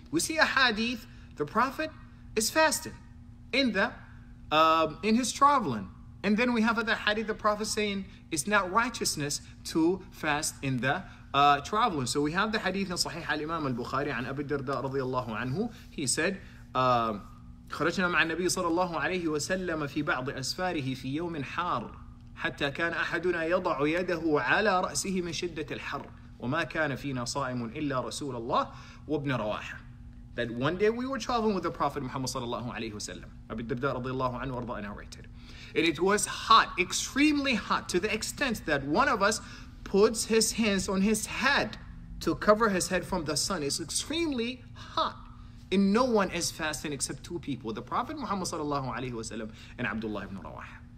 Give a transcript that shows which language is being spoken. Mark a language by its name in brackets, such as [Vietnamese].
[English] We see a hadith, the Prophet is fasting in his traveling. And then we have the hadith, the Prophet saying, it's not righteousness to fast in the traveling. So we have the hadith in Sahih al-Imam al-Bukhari [Arabic] عن أبي الدرداء رضي الله عنه. [English] He said, [Arabic] خرجنا مع النبي صلى الله عليه وسلم في بعض أسفاره في يوم حار حتى كان أحدنا يضع يده على رأسه من شدة الحر وما كان فينا صائم إلا رسول الله وابن رواحة. [English] That one day we were traveling with the Prophet Muhammad [Arabic] صلى الله عليه وسلم. أبي الدرداء رضي الله عنه وارضاء [English] narrated. And it was hot, extremely hot, to the extent that one of us puts his hands on his head to cover his head from the sun. It's extremely hot. And no one is fasting except two people, the Prophet Muhammad sallallahu alayhi wa sallam and Abdullah ibn Rawaha.